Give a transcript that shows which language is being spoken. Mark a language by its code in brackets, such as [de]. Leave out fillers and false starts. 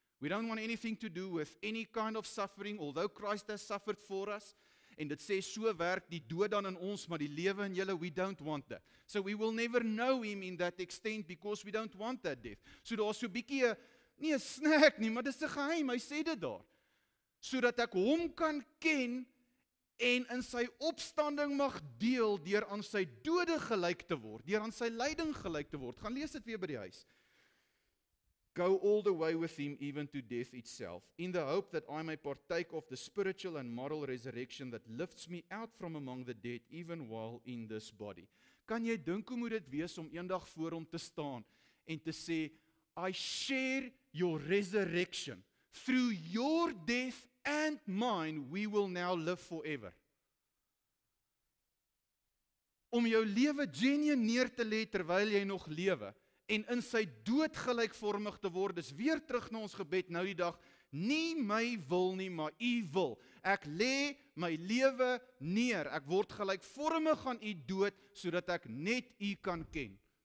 [en] We don't want anything to do with any kind of suffering, although Christ has suffered for us. [af] En dit sê, so werk die dood dan in ons, maar die lewe in julle, [en] we don't want that. So we will never know him in that extent, because we don't want that death. [af] So daar is so bykie, nie 'n snack nie, maar dit is 'n geheim, hy sê dit daar. So dat ek hom kan ken, en in sy opstanding mag deel, deur aan sy dode gelyk te word, deur aan sy lyding gelyk te word. Gaan lees dit weer by die huis. [en] Go all the way with him even to death itself, in the hope that I may partake of the spiritual and moral resurrection that lifts me out from among the dead even while in this body. [af] Kan jy dink hoe moet dit wees om eendag voor hom te staan en te sê, [en] I share your resurrection. Through your death and mine, we will now live forever. [af] Om jou lewe genuen neer te lê terwyl jy nog lewe, en in sy dood gelykvormig te word, dis weer terug na ons gebed, nou die dag, nie my wil nie, maar u wil, ek lê my lewe neer, ek word gelykvormig aan u dood, sodat ek net u kan ken.